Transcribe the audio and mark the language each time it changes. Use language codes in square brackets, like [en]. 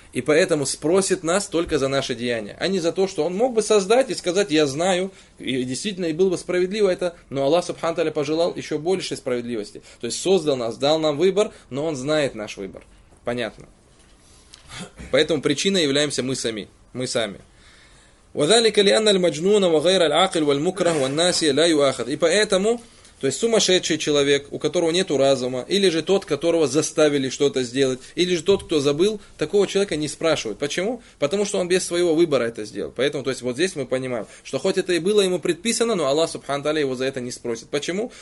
[ru] И поэтому спросит нас только за наши деяния. А не за то, что он мог бы создать и сказать, я знаю. И действительно, и было бы справедливо это. Но Аллах субхану тааля пожелал еще большей справедливости. То есть создал нас, дал нам выбор, но он знает наш выбор. Понятно. Поэтому причиной являемся мы сами. Мы сами. [ar] وذلك لأن المجنون وغير العاقل والمكره والناس لا يؤاخذ. [ru] И поэтому То есть сумасшедший человек, у которого нет разума, или же тот, которого заставили что-то сделать, или же тот, кто забыл, такого человека не спрашивают. Почему? Потому что он без своего выбора это сделал. Поэтому, то есть, вот здесь мы понимаем, что хоть это и было ему предписано, но Аллах Субхану Тааля его за это не спросит. Почему?